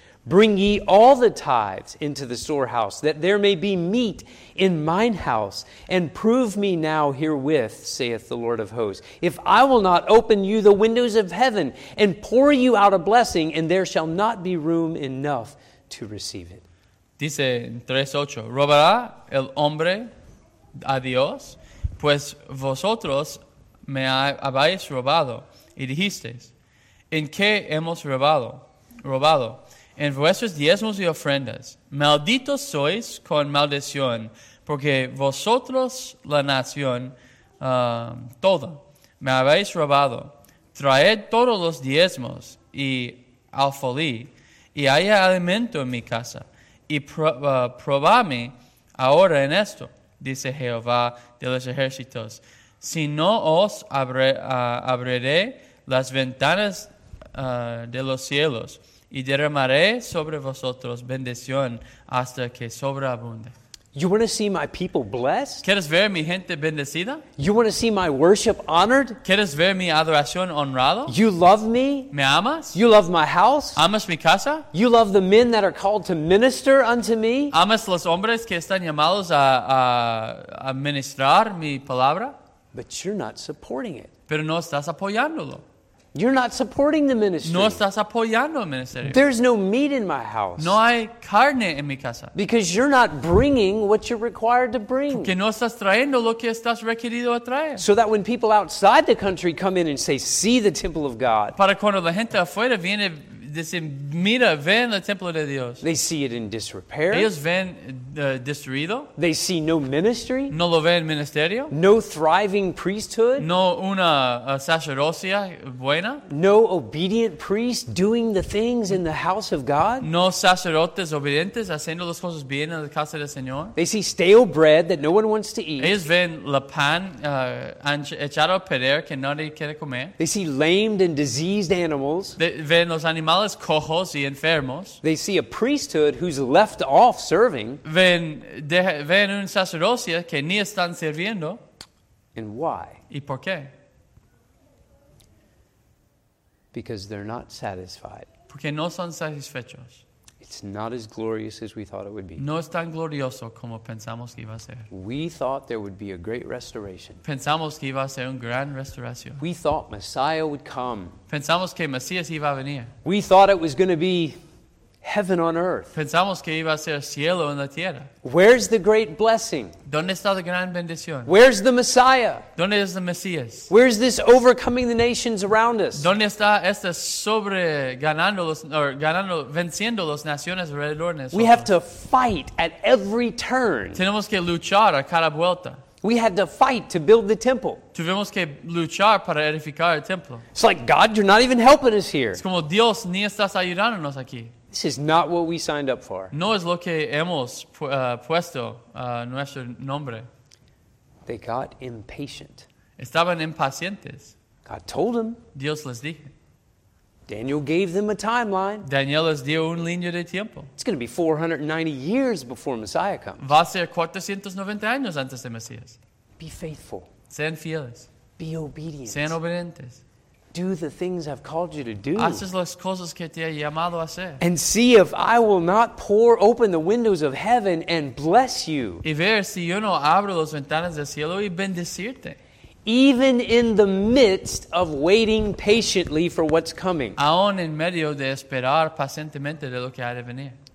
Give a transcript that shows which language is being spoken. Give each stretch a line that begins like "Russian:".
English: Bring ye all the tithes into the storehouse, that there may be meat in mine house, and prove me now herewith, saith the Lord of hosts, if I will not open you the windows of heaven and pour you out a blessing, and there shall not be room enough to receive it.
Spanish: Dice en 3:8, ¿robará el hombre a Dios? Pues vosotros me habéis robado, y dijisteis, ¿en qué hemos robado? Robado. En vuestros diezmos y ofrendas, malditos sois con maldición, porque vosotros, la nación toda, me habéis robado. Traed todos los diezmos y alfolí, y haya alimento en mi casa, y probadme ahora en esto, dice Jehová de los ejércitos. Si no os abriré las ventanas de los cielos, y derramaré sobre vosotros bendición hasta que sobreabunde.
English: You want to see my people blessed?
Spanish: ¿Quieres ver mi gente bendecida?
English: You want to see my worship honored?
Spanish: ¿Quieres ver mi adoración honrado?
English: You love me?
Spanish: ¿Me amas?
English: You love my house?
Spanish: ¿Amas mi casa?
English: You love the men that are called to minister unto me?
Spanish: ¿Amas los hombres que están llamados a ministrar mi palabra?
English: But you're not supporting it.
Spanish: Pero no estás apoyándolo.
English: You're not supporting the ministry.
Spanish: No estás apoyando el ministerio.
English: There's no meat in my house.
Spanish: No hay carne en mi casa.
English: Because you're not bringing what you're required to bring.
Spanish: Porque no estás trayendo lo que estás requerido a traer.
English: So that when people outside the country come in and say, "See the temple of God."
Spanish: Para cuando la gente afuera viene dicen, mira, ven el templo de Dios.
English: They see it in disrepair.
Spanish: Ellos ven destruido.
English: They see no ministry.
Spanish: No lo ven ministerio.
English: No thriving priesthood.
Spanish: No una sacerdocia buena.
English: No obedient priests doing the things in the house of God.
Spanish: No sacerdotes obedientes haciendo las cosas bien en la casa del Señor.
English: They see stale bread that no one wants to eat.
Spanish: Ellos ven la pan echado a perder que nadie quiere comer.
English: They see lamed and diseased animals.
Spanish: Ven los animales. Cojos y enfermos.
English: They see a priesthood who's left off serving.
Spanish: Ven un sacerdocio que ni están sirviendo.
English: And why?
Spanish: ¿Y por qué?
English: Because they're not satisfied.
Spanish: Porque no son satisfechos.
English: It's not as glorious as we thought it would be.
Spanish: No es tan glorioso como pensamos que iba a ser.
English: We thought there would be a great restoration.
Spanish: Pensamos que iba a ser una gran restauración.
English: We thought Messiah would come.
Spanish: Pensamos que Mesías iba a venir.
English: We thought it was going to be heaven on earth.
Spanish: Pensamos que iba a ser cielo en la tierra.
English: Where's the great blessing?
Spanish: ¿Dónde está la gran bendición?
English: Where's the Messiah?
Spanish: ¿Dónde es el Mesías?
English: Where's this overcoming the nations around us?
Spanish: ¿Dónde está este sobre venciendo las naciones alrededor de nosotros?
English: We have to fight at every turn.
Spanish: Tenemos que luchar a cada vuelta.
English: We had to fight to build the temple.
Spanish: Tuvimos que luchar para edificar el templo.
English: It's like, God, you're not even helping us here.
Spanish: Es como, Dios, ni estás ayudándonos aquí.
English: This is not what we signed up for.
Spanish: No es lo que hemos puesto nuestro nombre.
English: They got impatient.
Spanish: Estaban impacientes.
English: God told them.
Spanish: Dios les dijo.
English: Daniel gave them a timeline.
Spanish: Daniel les dio un línea de tiempo.
English: It's going to be 490 years before Messiah comes.
Spanish: Va a ser 490 años antes de Mesías.
English: Be faithful.
Spanish: Sean fieles.
English: Be obedient.
Spanish: Sean obedientes.
English: Do the things I've called you to do.
Spanish: Haces las cosas que te he llamado a hacer.
English: And see if I will not pour open the windows of heaven and bless you.
Spanish: Y ver si yo no abro las ventanas del cielo y bendecirte.
English: Even in the midst of waiting patiently for what's coming.
Spanish: Aún en medio de esperar pacientemente de lo que ha de venir.